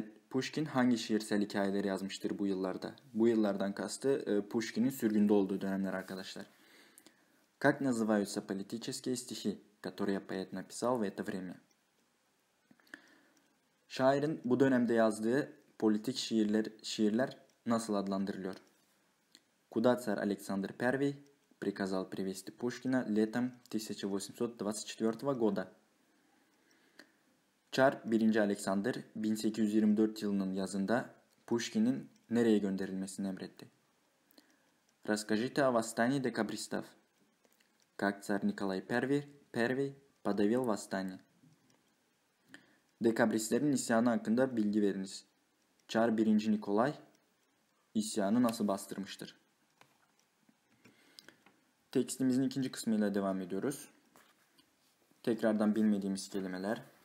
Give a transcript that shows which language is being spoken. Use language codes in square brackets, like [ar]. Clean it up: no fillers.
[tr] Пушкин hangi şiirsel hikayeleri yazmıştır bu yıllarda? Bu yıllardan kastı Пушкин'in sürgünde olduğu dönemler arkadaşlar. [ru] Как называются политические стихи, которые поэт написал в это время? [tr] Şairin bu dönemde yazdığı politik şiirler nasıl adlandırılıyor? [ru] Куда царь Александр I приказал привести Пушкина летом 1824 года? [tr] Çar 1. Alexander 1824 yılının yazında Пушкин'in nereye gönderilmesini emretti? [ru] Расскажите о восстании декабристов. Как царь Николай I подавил восстание? [tr] Декабристлерin isyanı hakkında bilgi veriniz. Çar 1. Nikolay isyanı nasıl bastırmıştır? Tekstimizin ikinci kısmıyla devam ediyoruz. Tekrardan bilmediğimiz kelimeler.